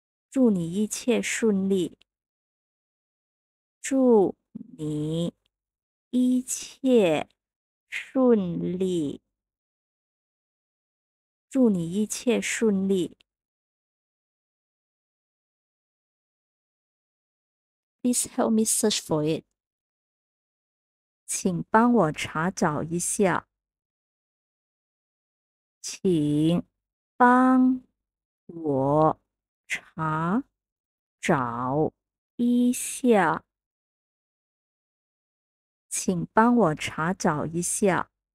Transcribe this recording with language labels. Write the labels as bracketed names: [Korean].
[Chinese] 祝你一切顺利，祝你一切顺利，祝你一切顺利。 [English] Please help me search for it. [Chinese] 请帮我查找一下，请帮我查找一下，请帮我查找一下。